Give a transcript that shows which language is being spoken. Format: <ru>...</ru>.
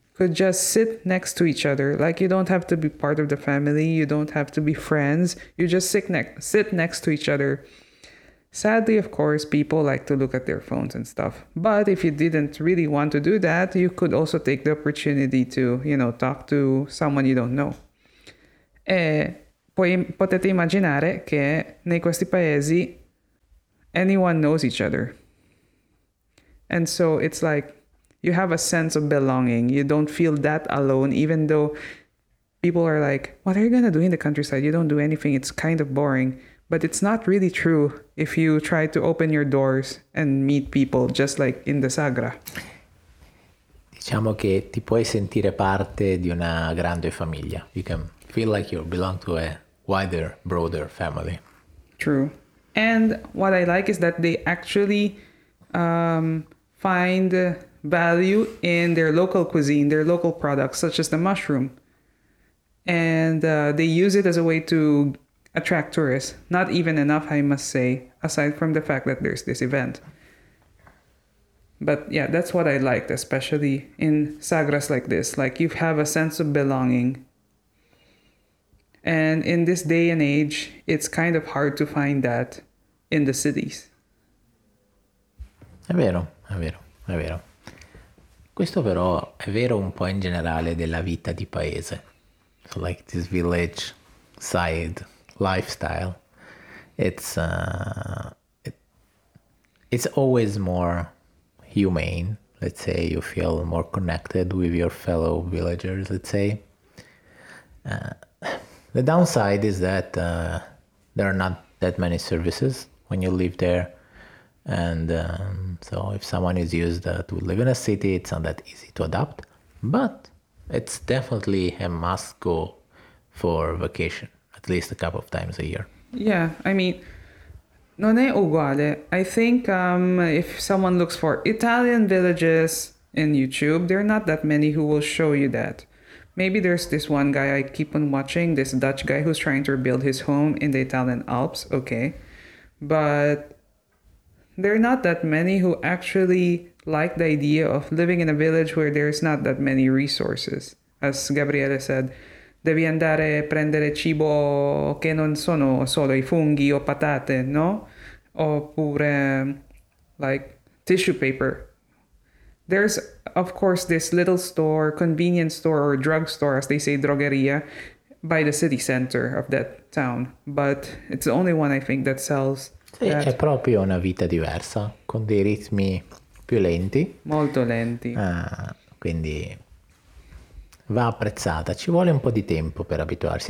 <en>could just sit next to each other. Like, you don't have to be part of the family. You don't have to be friends. You just sit next to each other. Sadly, of course, people like to look at their phones and stuff. But if you didn't really want to do that, you could also take the opportunity to, you know, talk to someone you don't know.</en> <it>E poi potete immaginare che nei questi paesi</it> <en>anyone knows each other. And so it's like you have a sense of belonging. You don't feel that alone, even though people are like, what are you going to do in the countryside? You don't do anything. It's kind of boring. But it's not really true if you try to open your doors and meet people, just like in the Sagra.</en> <it>Diciamo che ti puoi sentire parte di una grande famiglia.</it> <en>You can feel like you belong to a wider, broader family. True. And what I like is that they actually find value in their local cuisine, their local products, such as the mushroom. And they use it as a way to attract tourists. Not even enough, I must say, aside from the fact that there's this event. But yeah, that's what I liked, especially in sagras like this. Like, you have a sense of belonging. And in this day and age, it's kind of hard to find that in the cities.</en> <it>È vero, è vero, è vero. Questo però è vero un po' in generale della vita di paese.</it> <en>So like this village side lifestyle, it's always more humane. Let's say you feel more connected with your fellow villagers, let's say. The downside is that there are not that many services when you live there. And so if someone is used to live in a city, it's not that easy to adapt. But it's definitely a must-go for vacation, at least a couple of times a year. Yeah, I mean,</en> <it>non è uguale.</it> <en>I think if someone looks for Italian villages in YouTube, there are not that many who will show you that. Maybe there's this one guy I keep on watching, this Dutch guy who's trying to rebuild his home in the Italian Alps, okay. But there are not that many who actually like the idea of living in a village where there's not that many resources. As Gabriele said,</en> <it>devi andare a prendere cibo che non sono solo i funghi o patate, no? Oppure,</it> <en>like, tissue paper. There's, of course, this little store, convenience store or drug store, as they say, drogheria, by the city center of that town. But it's the only one, I think, that sells.</en> <it>Sì,</it> <en>that.</en> <it>È proprio una vita diversa, con dei ritmi più lenti. Molto lenti. Quindi va apprezzata. Ci vuole un po' di tempo per abituarsi.</it>